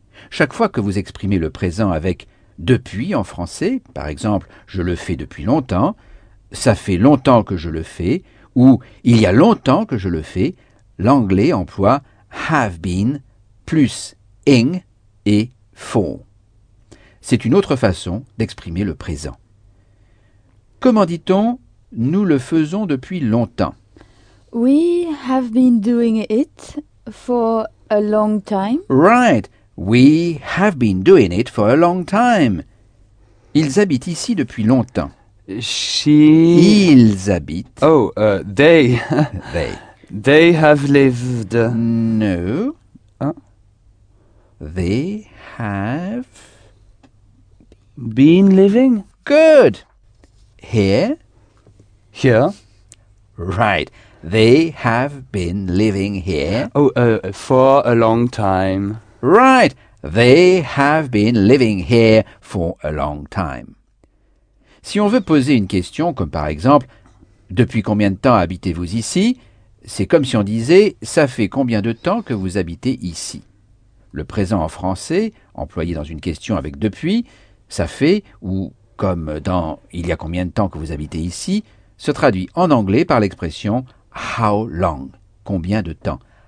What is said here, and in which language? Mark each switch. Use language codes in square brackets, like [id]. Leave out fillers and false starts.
[fr] Chaque fois que vous exprimez le présent avec « depuis » en français, par exemple « je le fais depuis longtemps »,« ça fait longtemps que je le fais » ou « il y a longtemps que je le fais », l'anglais emploie « have been » plus « ing » et « for ». C'est une autre façon d'exprimer le présent. Comment dit-on « nous le faisons depuis longtemps » ? [en] « We have been doing it for a long time. » Right. We have been doing it for a long time. [fr] Ils habitent ici depuis longtemps. [en] She... [fr] Ils habitent... [en] Oh, they. They. They have lived... No. They have... Been living? Good. Here? Here. Right. They have been living here... Oh, for a long time. Right. They have been living here for a long time. [fr] Si on veut poser une question, comme par exemple, depuis combien de temps habitez-vous ici? C'est comme si on disait, ça fait combien de temps que vous habitez ici? Le présent en français, employé dans une question avec depuis, ça fait, ou comme dans il y a combien de temps que vous habitez ici, se traduit en anglais par l'expression [en] how long, [fr] combien de temps?